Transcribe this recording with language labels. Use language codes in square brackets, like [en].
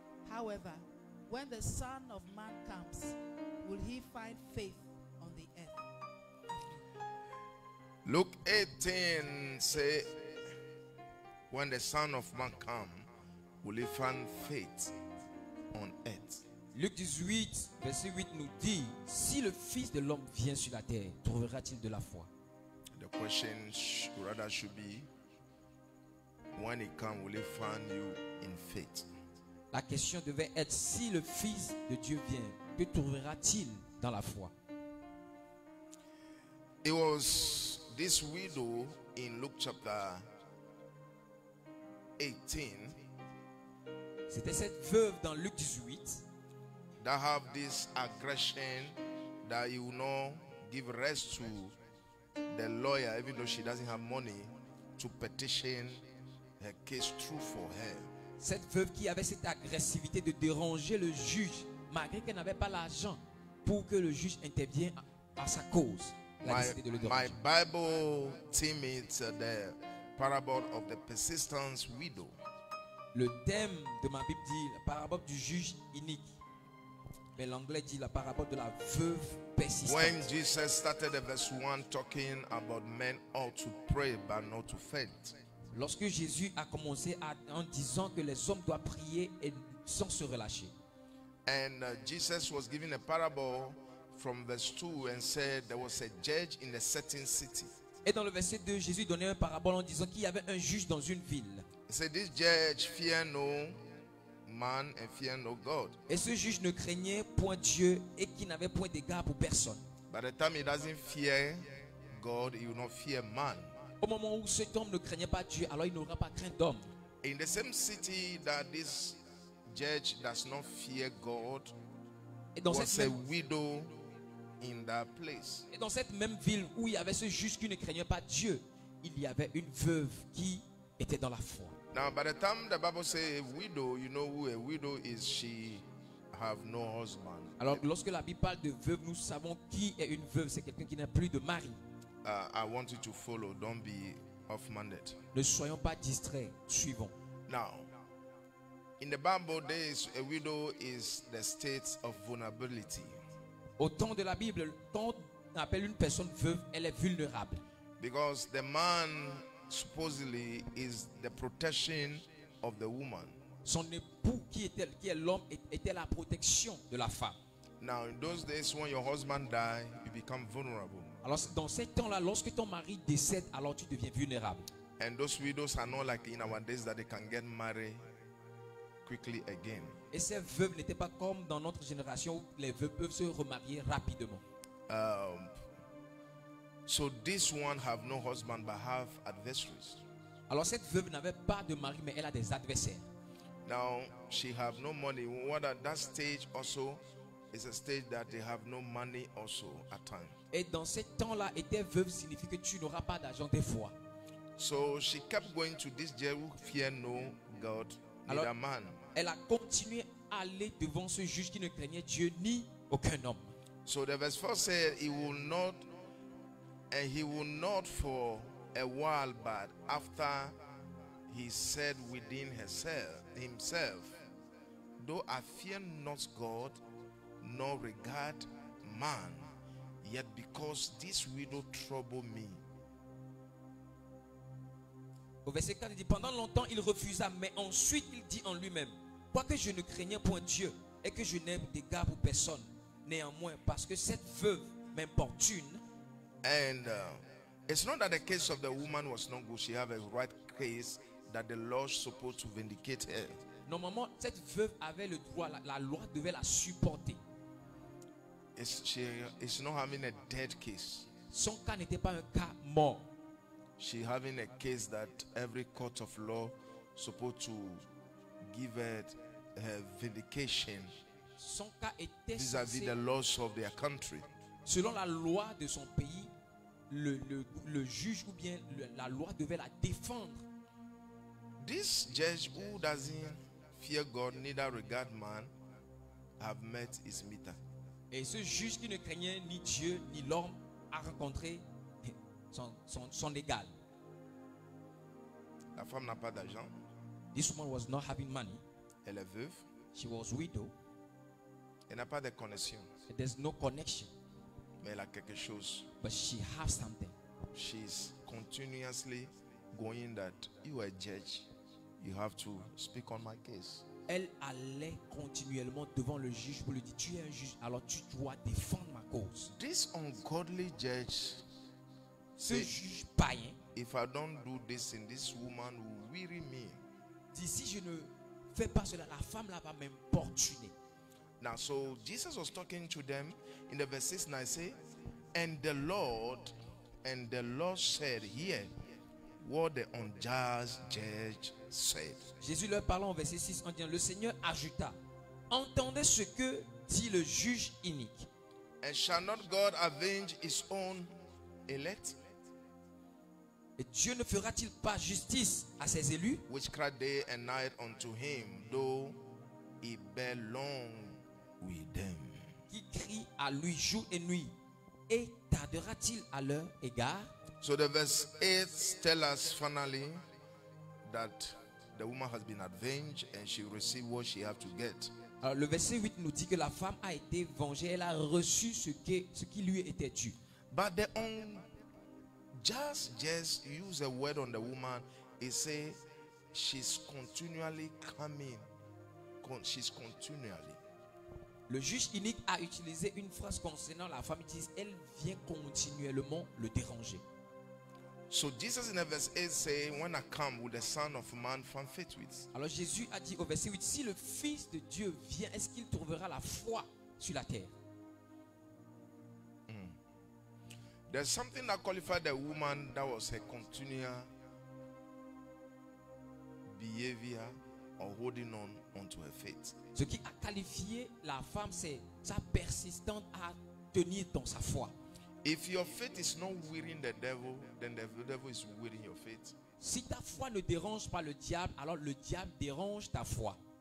[en] However, when the Son of Man comes, will he find faith on the earth? Luke 18 say, when the Son of Man comes, will he find faith on earth? [fr] Luc 18, verset 8 nous dit, si le Fils de l'homme vient sur la terre, trouvera-t-il de la foi? [en] The question rather should be, when he comes, will he find you in faith? [fr] La question devait être, si le Fils de Dieu vient, que trouvera-t-il dans la foi? [en] It was this widow in Luke chapter 18. [fr] C'était cette veuve dans Luc 18. [en] That have this aggression that he will not give rest to the lawyer, even though she doesn't have money, to petition her case through for her. [fr] Cette veuve qui avait cette agressivité de déranger le juge, malgré qu'elle n'avait pas l'argent pour que le juge intervienne à sa cause. [en] My Bible team is the parable of the persistence widow. [fr] Le thème de ma Bible dit la parabole du juge inique. Mais l'anglais dit la parabole de la veuve persistante. [en] When Jesus started the verse 1 talking about men ought to pray but not to faint. [fr] Lorsque Jésus a commencé en disant que les hommes doivent prier et sans se relâcher. [en] And Jesus was giving a parable from verse 2 and said there was a judge in a certain city. [fr] Et dans le verset 2, Jésus donnait une parabole en disant qu'il y avait un juge dans une ville. [en] Said this judge fear no man and fear no God. [fr] Et ce juge ne craignait point Dieu et qui n'avait point d'égard pour personne. [en] By the time he doesn't fear God, he will not fear man. [fr] Au moment où cet homme ne craignait pas Dieu, alors il n'aura pas crainte d'homme. [en] In the same city that this judge does not fear God, [fr] et dans [en] was [fr] cette même, [en] a widow in that place. [fr] Et dans cette même ville où il y avait ce juge qui ne craignait pas Dieu, il y avait une veuve qui était dans la foi. [en] Now, by the time the Bible says a widow, you know who a widow is, she have no husband. [fr] Alors, lorsque la Bible parle de veuve, nous savons qui est une veuve. C'est quelqu'un qui n'a plus de mari. [en] I want you to follow. Don't be off-minded. [fr] Ne soyons pas distraits. Suivons. [en] Now, in the Bible, days, a widow is the state of vulnerability. [fr] Au temps de la Bible, quand on appelle une personne veuve, elle est vulnérable. [en] Because the man supposedly is the protection of the woman. [fr] Son époux qui est l'homme était la protection de la femme. [en] Now in those days when your husband dies, you become vulnerable. [fr] Alors dans ces temps-là, lorsque ton mari décède, alors tu deviens vulnérable. [en] And those widows are not like in our days that they can get married quickly again. [fr] Et ces veuves n'étaient pas comme dans notre génération où les veuves peuvent se remarier rapidement. [en] So this one have no husband but have adversaries. [fr] Alors cette veuve n'avait pas de mari mais elle a des adversaires. [en] Now she have no money. What at that stage also is a stage that they have no money also at time. [fr] Et dans ce temps-là, être veuve signifie que tu n'auras pas d'argent des fois. [en] So she kept going to this jail who fear no God. [fr] Alors, [en] neither man. [fr] Elle a continué à aller devant ce juge qui ne craignait Dieu ni aucun homme. [en] So the verse 4 said he will not and he will not for a while but after he said within himself though I fear not God nor regard man yet because this widow trouble me. [fr] Au verset 4, il dit, pendant longtemps, il refusa, mais ensuite, il dit en lui-même, quoique je ne craignais point Dieu et que je n'aime d'égard pour personne, néanmoins, parce que cette veuve m'importune. [en] And it's not that the case of the woman was not good. She had a right case that the law is supposed to vindicate her. [fr] Normalement, cette veuve avait le droit, la loi devait la supporter. [en] It's not having a dead case. [fr] Son cas n'était pas un cas mort. [en] She having a case that every court of law supposed to give it her vindication. [fr] Son cas était [en] vis-à-vis the laws of their country. [fr] Selon la loi de son pays, le juge ou bien la loi devait la défendre. [en] This judge who doesn't fear God neither regard man have met his meter. Et ce juge qui ne craignait ni Dieu ni l'homme a rencontré son égal. [fr] La femme n'a pas d'argent. [en] This woman was not having money. [fr] Elle est veuve. [en] She was widow. [fr] Elle n'a pas de connexion. [en] There's no connection. [fr] Mais elle a quelque chose. [en] But she has something. She's continuously going that you are a judge. You have to speak on my case. [fr] Elle allait continuellement devant le juge pour lui dire tu es un juge alors tu dois défendre ma cause. [en] This ungodly judge. [fr] Ce juge païen. [en] If I don't do this in this woman will weary me. [fr] Dit, si je ne fais pas cela, la femme là va m'importuner. [en] Now so Jesus was talking to them in the verse 6 and I say, and the Lord said here what the unjust judge said. [fr] Jésus leur parlant au verset 6 en disant le Seigneur ajouta entendez ce que dit le juge inique. [en] And shall not God avenge his own elect? [fr] Et Dieu ne fera-t-il pas justice à ses élus? [en] Which cry day and night unto him, though he bear long with them. [fr] Qui crie à lui jour et nuit, et tardera-t-il à leur égard? [en] So the verse 8 tells us finally that the woman has been avenged and she received what she have to get. [fr] Alors le verset 8 nous dit que la femme a été vengée, elle a reçu ce qui lui était dû. [en] But the just use a word on the woman. He say she's continually coming. She's continually. [fr] Le juge unique a utilisé une phrase concernant la femme. Il dit elle vient continuellement le déranger. [en] So Jesus in verse 8 say when I come will the son of man find faith with. [fr] Alors Jésus a dit au verset 8 si le fils de Dieu vient est-ce qu'il trouvera la foi sur la terre? [en] There's something that qualified the woman that was her continual behavior or holding on onto her faith. [fr] Ce qui a qualifié la femme, c'est sa persistance à tenir dans sa foi. [en] If your faith is not wearing the devil, then the devil is wearing your faith. [fr] Si ta foi ne dérange pas le diable, alors le diable dérange ta foi.